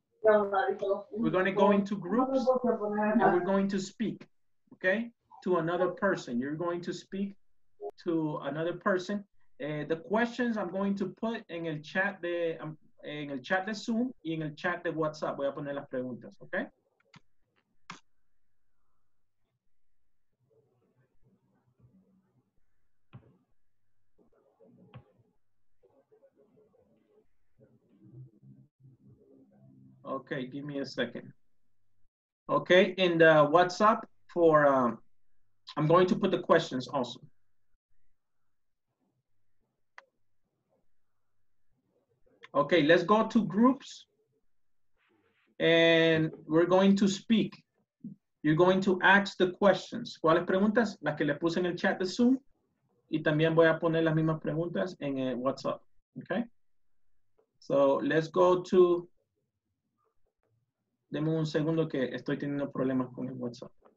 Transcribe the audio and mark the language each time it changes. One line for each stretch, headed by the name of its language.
English: We're going to go into groups and we're going to speak, okay? To another person. You're going to speak to another person. The questions I'm going to put in
Spanish: el chat de... en el chat de Zoom y en el chat de WhatsApp. Voy a poner las preguntas, ¿ok?
English: Ok, give me a second. Ok, in the WhatsApp for, I'm going to put the questions also. Okay, let's go to groups and we're going to speak. You're going to ask the questions.
Spanish: ¿Cuáles preguntas? Las que le puse en el chat de Zoom. Y también voy a poner las mismas preguntas en WhatsApp. Okay?
English: So let's go to...
Spanish: Deme un segundo que estoy teniendo problemas con el WhatsApp.